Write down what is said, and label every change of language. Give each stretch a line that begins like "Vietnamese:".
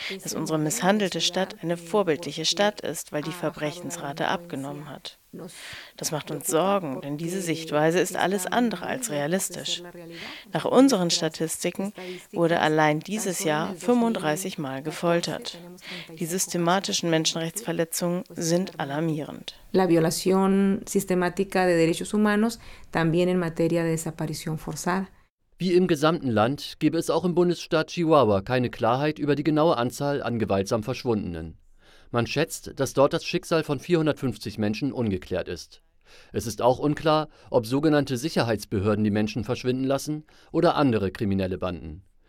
German: Dass unsere misshandelte Stadt eine vorbildliche Stadt ist, weil die Verbrechensrate abgenommen hat. Das macht uns Sorgen, denn diese Sichtweise ist alles andere als realistisch. Nach unseren Statistiken wurde allein dieses Jahr 35 Mal gefoltert. Die systematischen Menschenrechtsverletzungen sind alarmierend.
Spanish: La violación sistemática de derechos humanos también en materia de desaparición forzada.
German: Wie im gesamten Land gäbe es auch im Bundesstaat Chihuahua keine Klarheit über die genaue Anzahl an gewaltsam Verschwundenen. Man schätzt, dass dort das Schicksal von 450 Menschen ungeklärt ist. Es ist auch unklar, ob sogenannte Sicherheitsbehörden die Menschen verschwinden lassen oder andere kriminelle Banden.